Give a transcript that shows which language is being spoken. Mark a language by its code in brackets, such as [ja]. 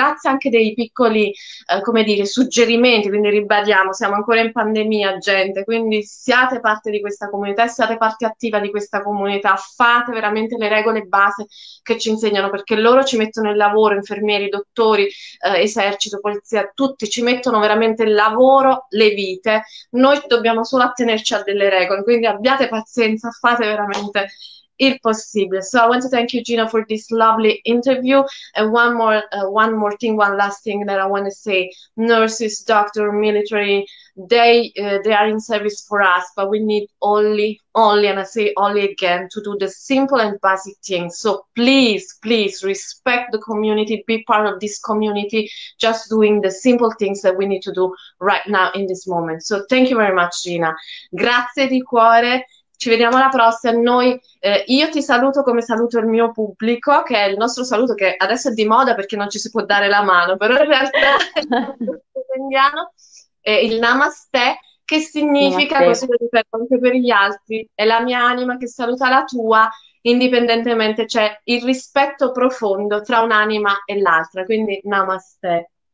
[it] Grazie anche dei piccoli, come dire, suggerimenti. Quindi ribadiamo, siamo ancora in pandemia, gente, quindi siate parte di questa comunità, siate parte attiva di questa comunità, fate veramente le regole base che ci insegnano, perché loro ci mettono il lavoro, infermieri, dottori, esercito, polizia, tutti ci mettono veramente il lavoro, le vite. Noi dobbiamo solo attenerci a delle regole, quindi abbiate pazienza, fate veramente il possibile. [en] So I want to thank you, Gina, for this lovely interview. And one last thing that I want to say: nurses, doctor, military, they are in service for us, but we need only, and I say only again, to do the simple and basic things. So please, please respect the community, be part of this community, just doing the simple things that we need to do right now in this moment. So thank you very much, Gina. [it] Grazie di cuore. Ci vediamo alla prossima. Io ti saluto come saluto il mio pubblico, che è il nostro saluto che adesso è di moda perché non ci si può dare la mano, però in realtà è Grazie. un saluto italiano. il namaste, che significa, così Namaste. lo ripeto anche per gli altri, è la mia anima che saluta la tua, indipendentemente, c'è il rispetto profondo tra un'anima e l'altra, quindi namaste.